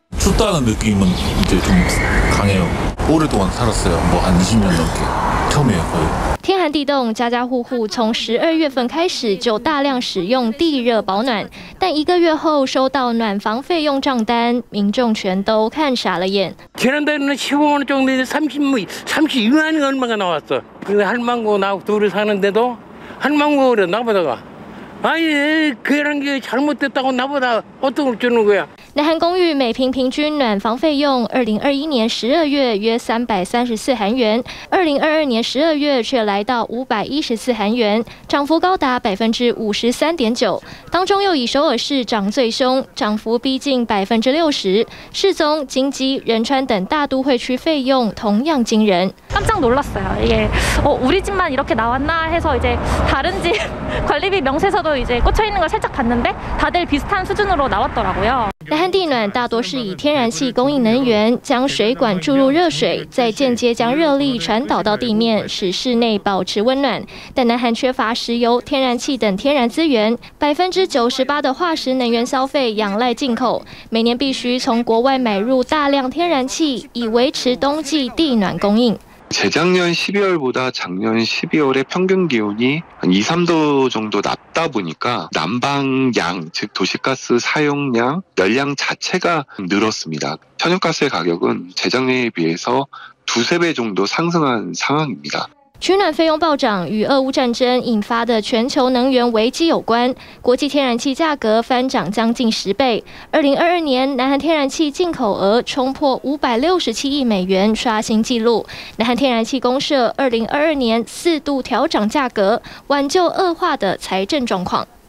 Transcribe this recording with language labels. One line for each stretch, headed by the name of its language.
Korean: 춥다는느낌은이제좀강해요오랫동안살았어요뭐한20년넘게처음이에요거의
Chinese: 天寒地冻，家家户户从12月份开始就大量使用地热保暖，但一个月后收到暖房费用账单，民众全都看傻了眼。
Korean: 지난달에는 15만 원 정도인데 32만 원이 얼마가 나왔어근데 할망구 나 둘이 사는데도 할망구 그래 나보다가아예그런게잘못됐다고나보다어떤걸주는거야
Chinese: 南韩公寓每平平均暖房费用2021年12月约334韩元，2022年12月却来到514韩元，涨幅高达53.9%，当中又以首尔市涨最凶，涨幅逼近60%。世宗、京畿、仁川等大都会区费用同样惊人。
Korean: 깜짝놀랐어요이게어우리집만이렇게나왔나해서이제다른집관리비명세서도이제꽂혀있는걸살짝봤는데다들비슷한수준으로나왔더라고요
Chinese: 南韩地暖大多是以天然气供应能源，将水管注入热水，再间接将热力传导到地面，使室内保持温暖。但南韩缺乏石油、天然气等天然资源，98%的化石能源消费仰赖进口，每年必须从国外买入大量天然气，以维持冬季地暖供应。
Korean: 재작년12월보다작년12월의평균기온이한 2-3도 정도 낮다보니까 난방량, 즉 도시가스 사용량, 열량 자체가 늘었습니다. 천연가스의 가격은 재작년에 비해서 2-3배 정도 상승한 상황입니다.
Chinese: 取暖费用暴涨与俄乌战争引发的全球能源危机有关，国际天然气价格翻涨近10倍。 2022年，南韩天然气进口额冲破567亿美元，刷新纪录。南韩天然气公社2022年四度调涨价格，挽救恶化的财政状况。